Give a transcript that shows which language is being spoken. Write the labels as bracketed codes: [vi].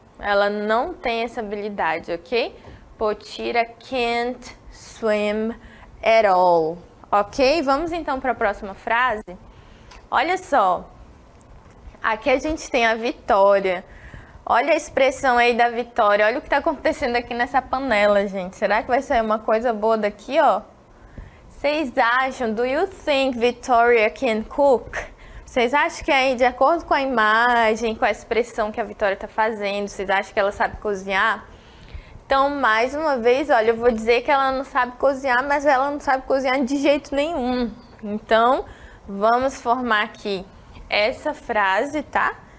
[pt] Ela não tem essa habilidade, ok? [en] Potira can't swim at all. Ok? [pt] Vamos então para a próxima frase. Olha só. Aqui a gente tem a Vitória. Olha a expressão aí da Vitória. Olha o que está acontecendo aqui nessa panela, gente. Será que vai sair uma coisa boa daqui, ó? Vocês acham? [en] Do you think Victoria can cook? [pt] Vocês acham que aí, de acordo com a imagem, com a expressão que a Vitória está fazendo, vocês acham que ela sabe cozinhar? Então, mais uma vez, olha, eu vou dizer que ela não sabe cozinhar, mas ela não sabe cozinhar de jeito nenhum. Então, vamos formar aqui essa frase, tá?